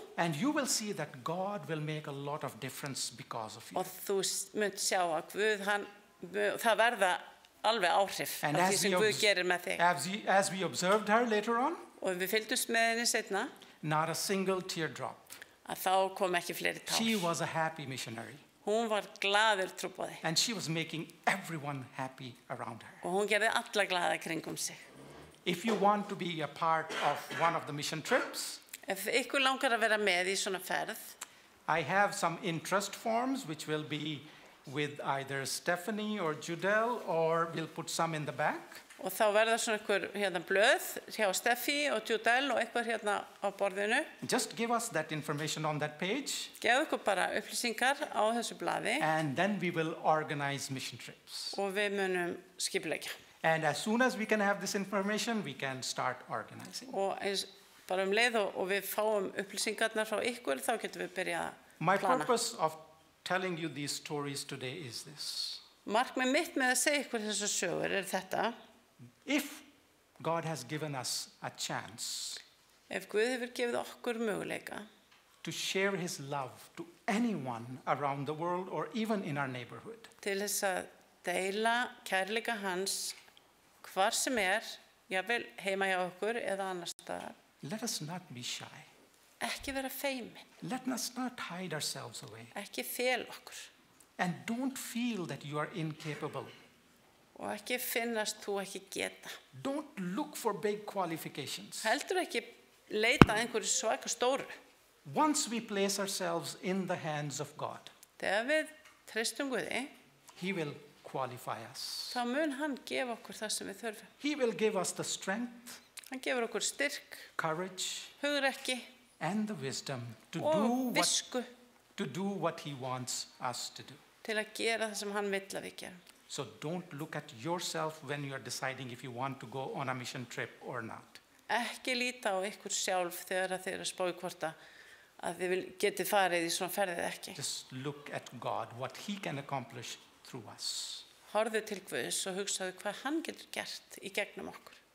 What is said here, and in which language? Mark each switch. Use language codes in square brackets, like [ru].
[en] And you will see that God will make a lot of difference because of you. [is] Og þú munt sjá að Guð hann það verða alveg áhrif af því sem Guð gerir með þig. [en] As we observed her later on. [is] Og við fylgdumst með henni seinna. [en] Not a single teardrop. [is] Að þá kom ekki fleiri tár. [en] She was a happy missionary. [is] Hún var glaður trúboði. [en] And she was making everyone happy around her. [is] Og hún gerði alla glaða kringum sig. [en] If you want to be a part of one of the mission trips, [is] ef ykkur langar að vera með í svona ferð, [en] I have some interest forms which will be with either Stephanie or Judel or we'll put some in the back. [is] Og þá verða svona ykkur hérna blöð hjá Steffi og Judel og eitthvað hérna á borðinu. [en] Just give us that information on that page. [is] Gefðu okkur bara upplýsingar á þessu blaði. [en] And then we will organize mission trips. [is] Og við munum skipuleggja. [en] And as soon as we can have this information, we can start organizing. [is] Og bara leið og við fáum upplýsingarnar frá ykkur, þá getum við byrja að plana. [en] My purpose of telling you these stories today is this. [is] Markmið mitt með að segja ykkur þessar sögur þetta. [en] If God has given us a chance. [is] Ef Guð hefur gefið okkur möguleika. [en] To share his love to anyone around the world or even in our neighborhood. [is] Til þess að deila kærleika hans hvar sem jafnvel heima hjá okkur eða annars staðar. [en] Let us not be shy. [is] Ekki vera feimin. [en] Let us not hide ourselves away. [is] Ekki fel okkur. [en] And don't feel that you are incapable. [is] Og ekki finnast þú ekki geta. [en] Don't look for big qualifications. [is] Heldur ekki leita einhverju svaka stóru. [en] Once we place ourselves in the hands of God. [is] Þegar við treystum Guði. [en] He will qualify us. [is] Þá mun hann gefa okkur það sem við þurfum. [en] He will give us the strength. [is] Hann gefur okkur styrk. [en] Courage. [is] Hugrekki. [en] And the wisdom to [is] og [en] do [is] visku. [en] What to do what he wants us to do. [is] Til að gera það sem hann vill að við gerum. [en] So don't look at yourself when you are deciding if you want to go on a mission trip or not. [is] Ekki líta á ykkur sjálf þegar þið eru að spá hvort að þið getið farið í svona ferð eða ekki. [en] Just look at God, what he can accomplish through us. [is] Horfðu til Guðs og hugsaðu hvað hann getur gert í gegnum okkur.